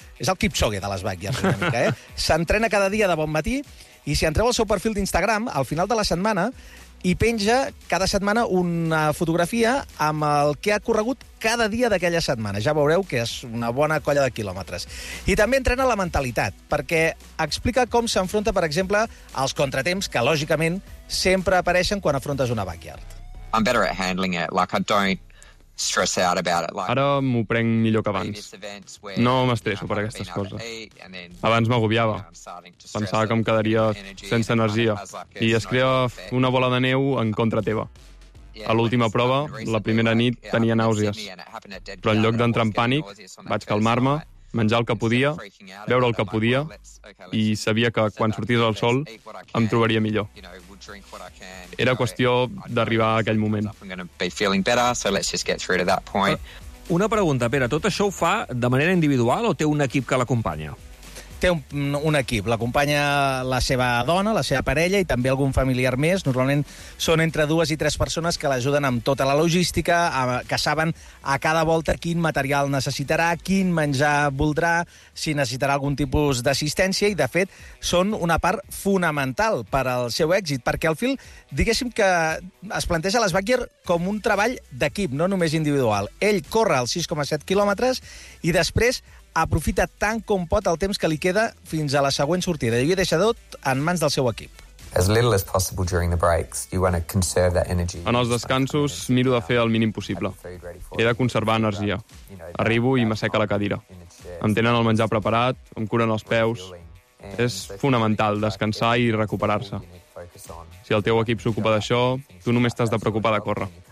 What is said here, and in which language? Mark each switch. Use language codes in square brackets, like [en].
[ca] És el Kipchoge de les backyards, una mica, eh? S'entrena cada dia de bon matí i si entreu al seu perfil d'Instagram, al final de la setmana, i penja cada setmana una fotografia amb el que ha corregut cada dia d'aquella setmana. Ja veureu que és una bona colla de quilòmetres. I també entrena la mentalitat, perquè explica com s'enfronta, per exemple, als contratemps que, lògicament, sempre apareixen quan afrontes una backyard. [en] I'm better at handling it, like I don't stress out about it. [ca] Ara m'ho prenc millor que abans. No m'estresso per aquestes coses. Abans m'agobiava. Pensava que em quedaria sense energia. I es crea una bola de neu en contra teva. A l'última prova, la primera nit, tenia nàusees. Però en lloc d'entrar en pànic, vaig calmar-me, menjar el que podia, beure el que podia, i sabia que quan sortís el sol em trobaria millor. Era qüestió d'arribar a aquell moment. Una pregunta, Pere. Tot això ho fa de manera individual o té un equip que l'acompanya? Té un equip. L'acompanya la seva dona, la seva parella i també algun familiar més. Normalment són entre 2 i 3 persones que l'ajuden amb tota la logística, que saben a cada volta quin material necessitarà, quin menjar voldrà, si necessitarà algun tipus d'assistència i, de fet, són una part fonamental per al seu èxit, perquè al fil, diguéssim que es planteja les Backyard com un treball d'equip, no només individual. Ell corre els 6,7 quilòmetres i després aprofita tant com pot el temps que li queda fins a la següent sortida. I ho deixa tot en mans del seu equip. [en] As little as possible during the breaks, you want to conserve that energy. [ca] En els descansos miro de fer el mínim possible. He de conservar energia. Arribo i m'assec a la cadira. Em tenen el menjar preparat, em curen els peus. És fonamental descansar i recuperar-se. Si el teu equip s'ocupa d'això, tu només t'has de preocupar de córrer.